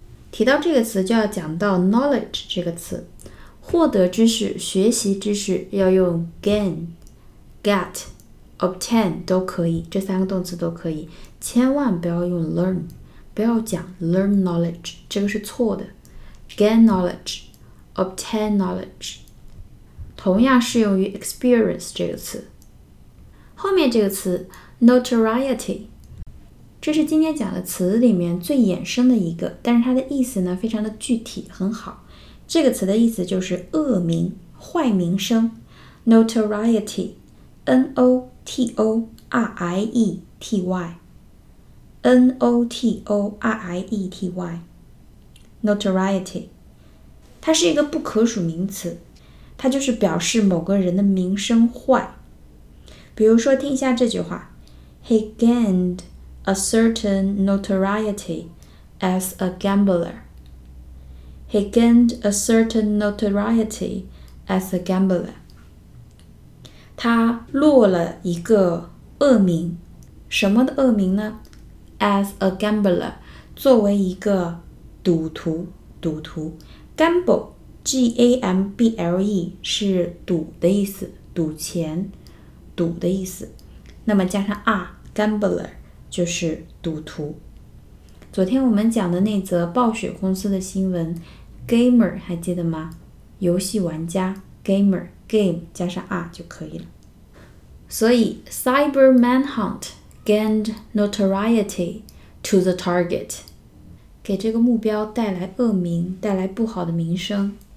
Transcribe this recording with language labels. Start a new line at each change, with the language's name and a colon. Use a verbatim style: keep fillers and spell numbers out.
Chinese: 提到这个词就要讲到 knowledge 这个词，获得知识、学习知识要用 gain, get,Obtain 都可以，这三个动词都可以，千万不要用 learn， 不要讲
English: learn knowledge，
Chinese: 这个是错的。
English: Gain knowledge， obtain knowledge，
Chinese: 同样适用于 experience 这个词。后面这个词 notoriety， 这是今天讲的词里面最衍生的一个，但是它的意思呢非常的具体，很好。这个词的意思就是恶名、坏名声。 Notoriety， N-O。T-O-R-I-E-T-Y N-O-T-O-R-I-E-T-Y Notoriety 它是一个不可数名词，它就是表示某个人的名声坏。比如说听一下这句话
English: He gained a certain notoriety as a gambler He gained a certain notoriety as a gambler
Chinese: 他落了一个恶名，什么的恶名呢 ？As a gambler， 作为一个赌徒，赌徒 ，gamble G-A-M-B-L-E 是赌的意思，赌钱，赌的意思。那么加上 R gambler 就是赌徒。昨天我们讲的那则暴雪公司的新闻 ，gamer 还记得吗？游戏玩家 ，gamer。 Game 加上 R 就可以了。所以
English: Cyber Manhunt gained notoriety to the target
Chinese: 给这个目标带来恶名，带来不好的名声。